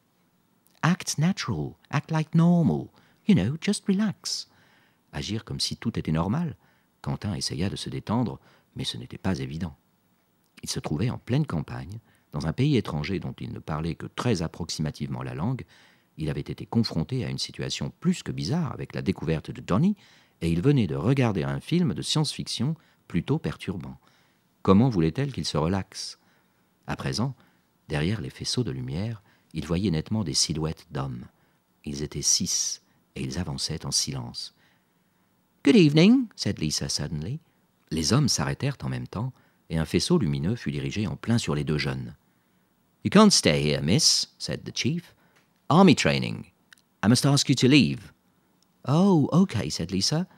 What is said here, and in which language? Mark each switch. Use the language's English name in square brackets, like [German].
[English] « Act natural, act like normal, you know, just relax !» [French] Agir comme si tout était normal. Quentin essaya de se détendre, mais ce n'était pas évident. Il se trouvait en pleine campagne, dans un pays étranger dont il ne parlait que très approximativement la langue. Il avait été confronté à une situation plus que bizarre avec la découverte de Donnie, et il venait de regarder un film de science-fiction plutôt perturbant. Comment voulait-elle qu'il se relaxe ? À présent, derrière les faisceaux de lumière, il voyait nettement des silhouettes d'hommes. Ils étaient six, et ils avançaient en silence. « [English] Good evening !» said Lisa suddenly. [French] Les hommes s'arrêtèrent en même temps, et un faisceau lumineux fut dirigé en plein sur les deux jeunes. [English] « You can't stay here, miss !» said the chief. « Army training. I must ask you to leave. » « Oh, okay, » said Lisa.